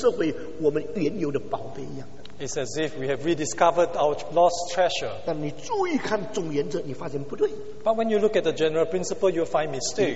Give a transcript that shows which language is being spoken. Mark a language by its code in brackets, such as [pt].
[zh] 好像是已经沉睡基督徒重新收回我们原有的宝贝一样。 [en] It's as if we have rediscovered our lost treasure. [zh] 但你注意看总原则，你发现不对。 [en] But when you look at the general principle, you'll find mistakes.